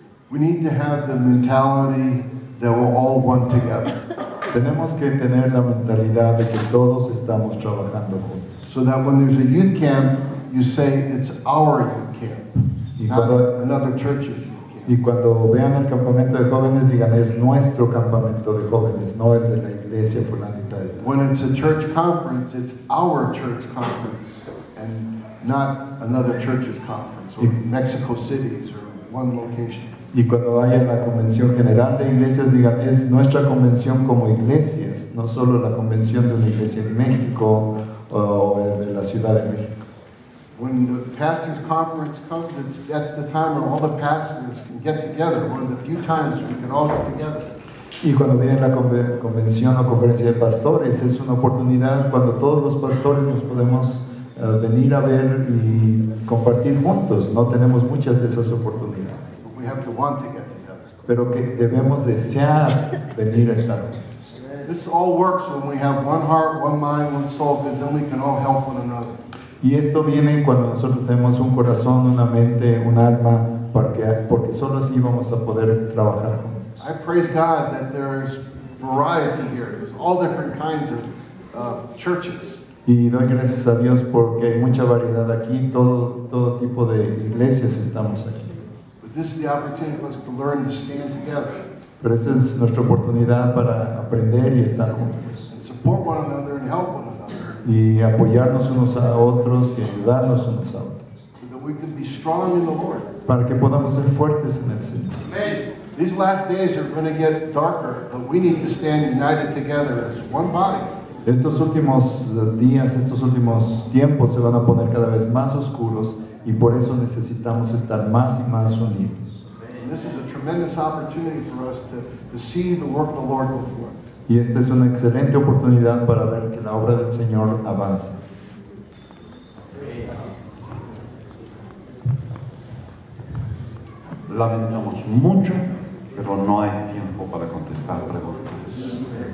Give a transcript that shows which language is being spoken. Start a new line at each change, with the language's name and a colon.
English: we need to have the mentality that we're all one together.
Spanish: Tenemos que tener la mentalidad de que todos estamos trabajando juntos.
English: So that when there's a youth camp, you say it's our youth camp, not another church's youth camp.
Spanish: Y cuando vean el campamento de jóvenes, digan es nuestro campamento de jóvenes, no el de la iglesia fulanita de tal.
English: When it's a church conference, it's our church conference, and not another church's conference or Mexico City's or one location.
Spanish: Y cuando haya la convención general de iglesias, digan, es nuestra convención como iglesias, no solo la convención de una iglesia en México o de la Ciudad de México.
English: When the pastors' conference comes, that's the time when all the pastors can get together, one of the few times we can all get together.
Spanish: Y cuando viene la convención o conferencia de pastores, es una oportunidad cuando todos los pastores nos podemos venir a ver y compartir juntos. No tenemos muchas de esas oportunidades.
English: We have to want to get together.
Spanish: Pero que debemos desear venir a estar juntos.
English: This all works when we have one heart, one mind, one soul, because then we can all help one another.
Spanish: Y esto viene cuando nosotros tenemos un corazón, una mente, un alma, porque solo así vamos a poder trabajar juntos.
English: I praise God that there's variety here. There's all different kinds of churches.
Spanish: Y doy gracias a Dios porque hay mucha variedad aquí. Todo tipo de iglesias estamos aquí.
English: This is the opportunity for us to learn to stand together.
Spanish: Pero esta es nuestra oportunidad para aprender y estar juntos.
English: And support one another and help one another.
Spanish: Y apoyarnos unos a otros y ayudarnos unos a otros.
English: So that we can be strong in the Lord.
Spanish: Para que podamos ser fuertes en el Señor.
English: Amazing. These last days are going to get darker, but we need to stand united together as one body.
Spanish: Estos últimos días, estos últimos tiempos se van a poner cada vez más oscuros. Y por eso necesitamos estar más y más unidos.
English: This is a tremendous opportunity for us to see the work of the Lord before.
Spanish: Y esta es una excelente oportunidad para ver que la obra del Señor avanza. Lamentamos mucho, pero no hay tiempo para contestar preguntas.